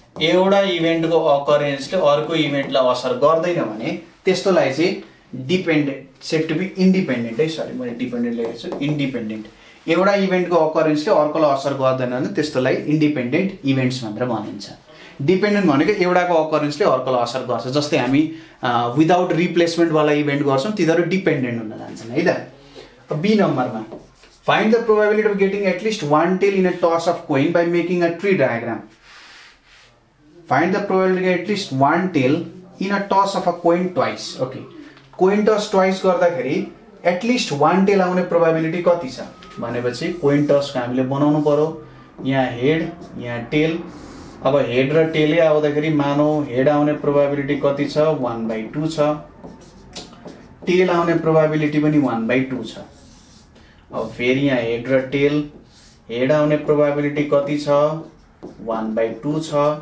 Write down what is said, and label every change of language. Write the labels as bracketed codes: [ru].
[ne] एउटा event को occurrence ले अर्को event ला असर गर्दैन भने त्यस्तोलाई चाहिँ [en] dependent said to be independent [ne] है sorry मैले dependent लेखेको छु independent. एउटा event को occurrence ले अर्को ला असर गर्दैन भने त्यस्तोलाई independent events भनेर भनिन्छ. Dependent भनेको एउटाको occurrence ले अर्को लाई असर गर्छ. जस्तै हामी without replacement वाला event गर्छौं तिनीहरु dependent हुन जान्छन् है त. [en] B number मा find the probability of getting at least one tail in a toss of coin by making a tree diagram. Find the probability of getting at least one tail in a toss of a coin twice. [ne] Okay, coin toss twice गर्दाखेरि [en] at least one tail [ne] आउने probability कति छ भनेपछि coin toss को हामीले बनाउनु पर्यो. यहाँ head यहाँ tail. अब हेड र टेल आउँदाखेरि मानौ हेड आउने प्रोबेबिलिटी कति छ 1/2 छ. टेल आउने प्रोबेबिलिटी पनि 1/2 छ. अब फेरि यहाँ हेड र टेल हेड आउने प्रोबेबिलिटी कति छ 1/2 छ.